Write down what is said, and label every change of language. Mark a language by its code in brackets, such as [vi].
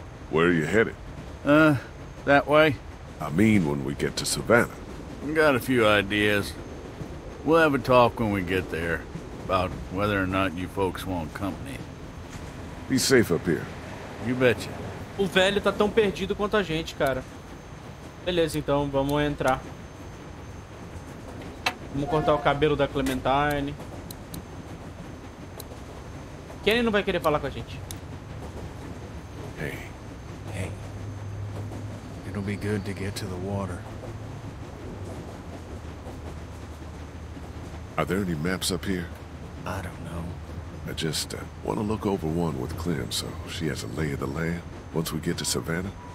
[en] Where are you headed? That way. I mean when we get to Savannah. Got a few ideas. We'll have a talk when we get there about whether or not you folks want company. Be safe up here. You betcha. [pt] O velho tá tão perdido quanto a gente, cara. Beleza, então, vamos entrar. Vamos cortar o cabelo da Clementine. Kenny não vai querer falar com a gente. [en] Hey. Hey. It'll be good to get to the water. Are there any maps up here? I don't know. I just want to look over one with Clem so she has a lay of the land once we get to Savannah.